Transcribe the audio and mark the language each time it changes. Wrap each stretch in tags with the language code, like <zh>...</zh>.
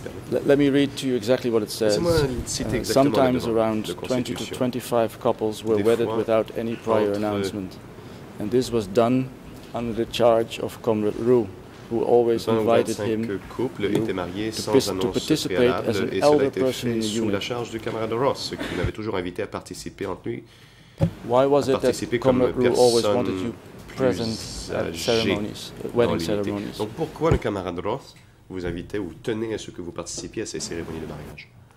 <en>Let me read to you exactly what it says. Sometimes around 20 to 25 couples were wedded without any prior announcement. And this was done under the charge of Comrade Roux, who always invited him to participate as an elder person in the unit.</en> <fr>Sous la charge du camarade Ross, qui m'avait toujours invité à participer en tenue.</fr> <en>Why was it that Comrade Roux always wanted you present at ceremonies, wedding ceremonies?</en> <fr>Donc pourquoi le camarade Roth vous invitait ou tenait à ce que vous participiez à ces cérémonies de mariage?</fr>